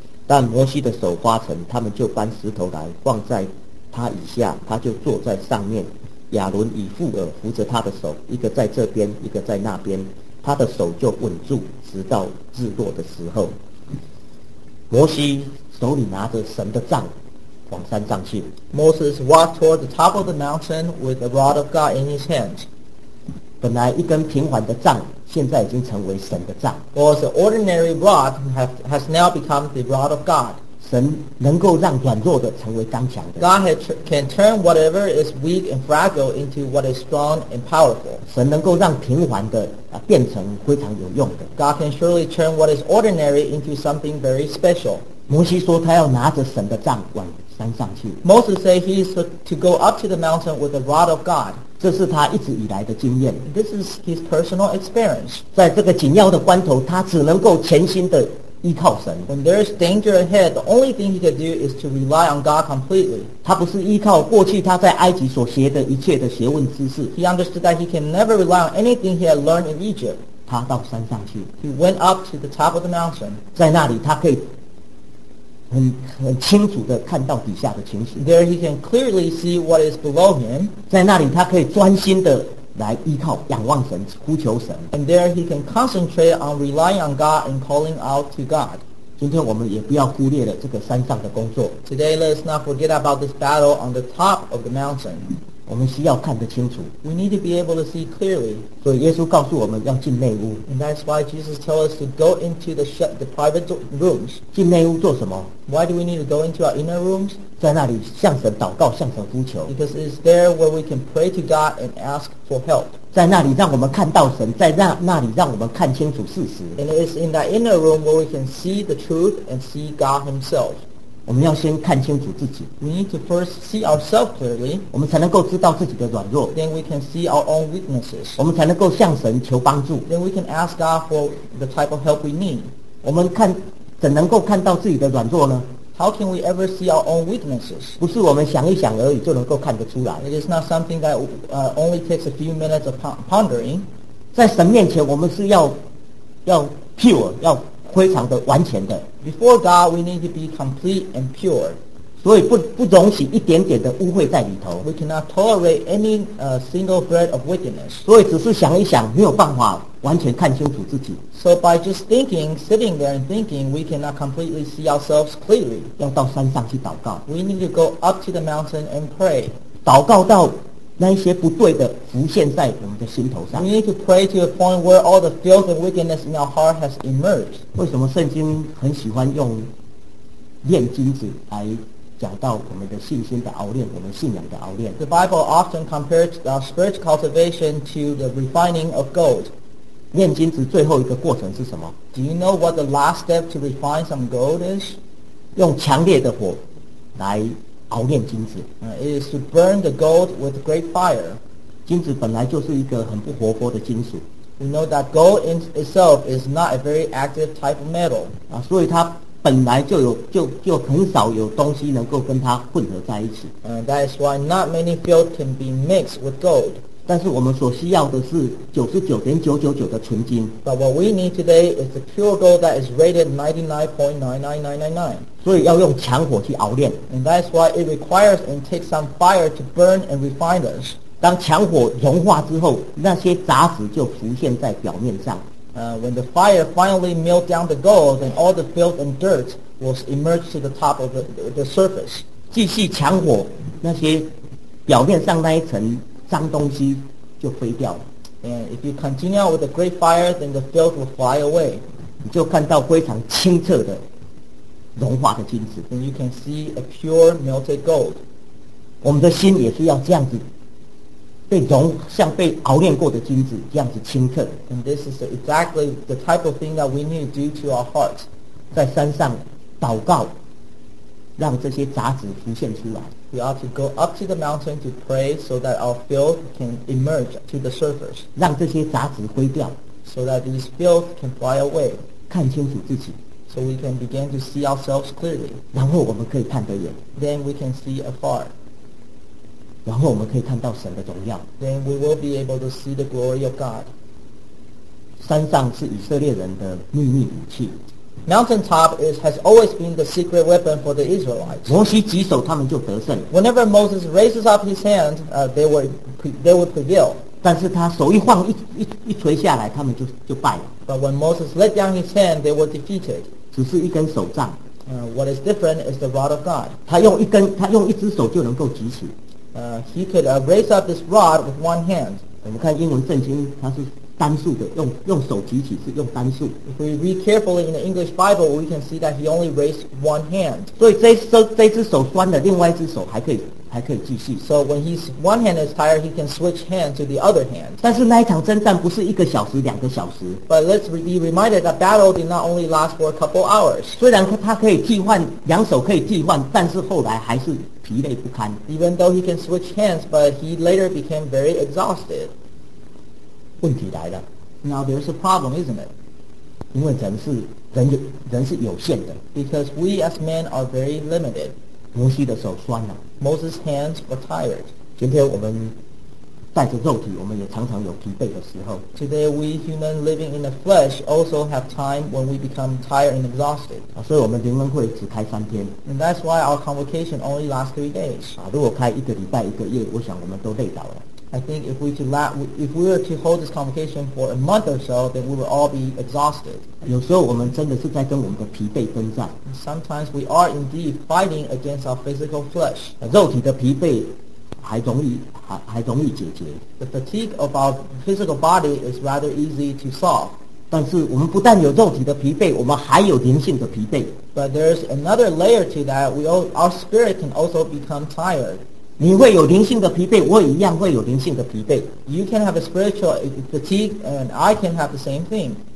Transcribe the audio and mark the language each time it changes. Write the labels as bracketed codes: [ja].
[zh] 但摩西的手发沉，他们就搬石头来放在他以下，他就坐在上面，亚伦以妇耳扶着他的手，一个在这边，一个在那边，他的手就稳住，直到日落的时候。摩西手里拿着神的杖往山上去。 [en] Moses walked toward the top of the mountain with the rod of God in his hand. [zh] 本来一根平缓的杖现在已经成为神的杖。 [en] Was an ordinary rod has now become the rod of God. [zh] 神能够让软弱的成为刚强的。 [en] God can turn whatever is weak and fragile into what is strong and powerful. [zh] 神能够让平缓的变成非常有用的。 [en] God can surely turn what is ordinary into something very special. [zh] 摩西说他要拿着神的杖往山上去。 [en] Moses said he is to go up to the mountain with the rod of God. [zh] 这是他一直以来的经验。 [en] This is his personal experience. [zh] 在这个紧要的关头，他只能够全心的依靠神。 [en] When there is danger ahead, the only thing he can do is to rely on God completely. [zh] 他不是依靠过去他在埃及所学的一切的学问知识。 [en] He understood that he can never rely on anything he had learned in Egypt. [zh] 他到山上去。 [en] He went up to the top of the mountain. [zh] 在那里他可以很清楚地看到底下的情形。 [en] There he can clearly see what is below him. [zh] 在那里他可以专心地来依靠仰望神，呼求神。 [en] And there he can concentrate on relying on God and calling out to God. [zh] 今天我们也不要忽略了这个山上的工作。 [en] Today let's not forget about this battle on the top of the mountain. [zh] 我们需要看得清楚。 [en] We need to be able to see clearly. [zh] 所以耶稣告诉我们要进内屋。 [en] And that's why Jesus told us to go into the private rooms. [zh] 进内屋做什么？ [en] Why do we need to go into our inner rooms? [zh] 在那里向神祷告，向神呼求。 [en] Because it's there where we can pray to God and ask for help. [zh] 在那里让我们看到神，在那里让我们看清楚事实。 [en] And it's in that inner room where we can see the truth and see God himself. [zh] 我们要先看清楚自己。 [en] We need to first see ourselves clearly. [zh] 我们才能够知道自己的软弱。 [en] Then we can see our own weaknesses. [zh] 我们才能够向神求帮助。 [en] Then we can ask God for the type of help we need. [zh] 我们看怎能够看到自己的软弱呢？ [en] How can we ever see our own weaknesses? [zh] 不是我们想一想而已就能够看得出来。 [en] It is not something that only takes a few minutes of pondering. [zh] 在神面前我们是要 pure, 要非常的完全的。 [en] Before God, we need to be complete and pure. [zh] 所以不容许一点点的污秽在里头。 [en] We cannot tolerate any single thread of wickedness. [zh] 所以只是想一想没有办法完全看清楚自己。 [en] So by just thinking, sitting there and thinking, we cannot completely see ourselves clearly. [zh] 要到山上去祷告。 [en] We need to go up to the mountain and pray. [zh] 祷告到那些不对的浮现在我们的心头上。 [en] We need to pray to a point where all the filth and wickedness in our heart has emerged. [zh] 为什么圣经很喜欢用炼金子来讲到我们的信心的熬炼，我们信仰的熬炼？ [en] The Bible often compares our spiritual cultivation to the refining of gold. [zh] 炼金子最后一个过程是什么？ [en] Do you know what the last step to refine some gold is? [zh] 用强烈的火来熬炼金子。 [en] It is to burn the gold with great fire. [zh] 金子本来就是一个很不活泼的金属。 [en] We know that gold in itself is not a very active type of metal. [zh] 所以它本来就很少有东西能够跟它混合在一起。 [en] That is why not many filth can be mixed with gold. [zh] 但是我们所需要的是 99.999 的纯金。 [en] But what we need today is the pure gold that is rated 99.99999. [zh] 所以要用强火去熬炼。 [en] And that's why it requires and takes some fire to burn and refine us. [zh] 当强火融化之后，那些杂质就浮现在表面上。 [en] When the fire finally melt down the gold, then all the filth and dirt will emerge to the top of the surface. [zh] 继续强火，那些表面上那一层脏东西就飞掉了。 [en] And if you continue with the great fire, then the filth will fly away. [zh] 你就看到非常清澈的融化的金子。 [en] And you can see a pure melted gold. [zh] 我们的心也是要这样子，被融，像被熬炼过的金子这样子清澈。 [en] And this is exactly the type of thing that we need to do to our hearts. [zh] 在山上祷告，让这些杂质浮现出来。 [en] We ought to go up to the mountain to pray so that our filth can emerge to the surface. [zh] 让这些杂质灰掉。 [en] So that these filth can fly away. [zh] 看清楚自己。 [en] So we can begin to see ourselves clearly. [zh] 然后我们可以看得远。 [en] Then we can see afar. [zh] 然后我们可以看到神的荣耀。 [en] Then we will be able to see the glory of God. [zh] 山上是以色列人的秘密武器。 [en] Mountaintop has always been the secret weapon for the Israelites. [zh] 摩西举手，他们就得胜。 [en] Whenever Moses raises up his hand, they would prevail. [zh] 但是他手一晃，一垂下来，他们就败了。 [en] But when Moses let down his hand, they were defeated. [zh] 只是一根手杖。 [en] What is different is the rod of God. [zh] 他用一只手就能够举起。 [en] He could raise up this rod with one hand. [zh] 我们看英文圣经，他是单数的，用手举起是用单数。 [en] If we read carefully in the English Bible, we can see that he only raised one hand. [zh] 所以这只手酸的，另外一只手还可以继续。 [en] So when his one hand is tired, he can switch hand to the other hand. [zh] 但是那一场征战不是一个小时、两个小时。 [en] But let's be reminded that battle did not only last for a couple hours. [zh] 虽然他可以替换，两手可以替换，但是后来还是疲累不堪。 [en] Even though he can switch hands, but he later became very exhausted. [zh] 问题来了。 [en] Now there's a problem, isn't it? [zh] 因为人是有限的。 [en] Because we as men are very limited. [zh] 摩西的手酸了。 [en] Moses' hands were tired. [zh] 今天我们带着肉体，我们也常常有疲惫的时候。 [en] Today we human living in the flesh also have time when we become tired and exhausted. [zh] 所以我们灵恩会只开三天。 [en] And that's why our convocation only lasts 3 days. [zh] 如果开一个礼拜一个月，我想我们都累倒了。 [en] I think if we were to hold this convocation for a month or so, then we would all be exhausted. [zh] 有时候我们真的是在跟我们的疲惫征战。 [en] Sometimes we are indeed fighting against our physical flesh. [zh] 肉体的疲惫还容易解决。 [en] The fatigue of our physical body is rather easy to solve. [zh] 但是我们不但有肉体的疲惫，我们还有灵性的疲惫。 [en] But there's another layer to that. Our spirit can also become tired. [zh] 你会有灵性的疲惫，我也一样会有灵性的疲惫。 [en] You can have a spiritual fatigue, and I can have the same thing.